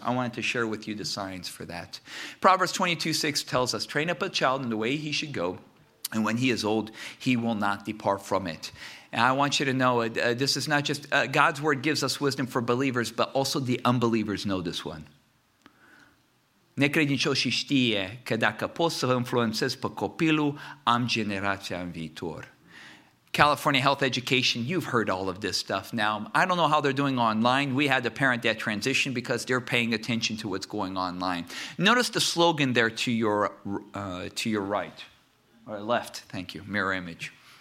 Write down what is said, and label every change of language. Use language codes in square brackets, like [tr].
[en] I wanted to share with you the signs for that. Proverbs 22:6 tells us, train up a child in the way he should go, and when he is old, he will not depart from it. And I want you to know, this is not just, God's word gives us wisdom for believers, but also the unbelievers know this one. [ro] Necredincioșii știe că dacă pot să influențez pe copilul, am generația în viitor. [en] California Health Education, you've heard all of this stuff. Now, I don't know how they're doing online. We had a parent that transitioned because they're paying attention to what's going online. Notice the slogan there to your right or left. Thank you. Mirror image.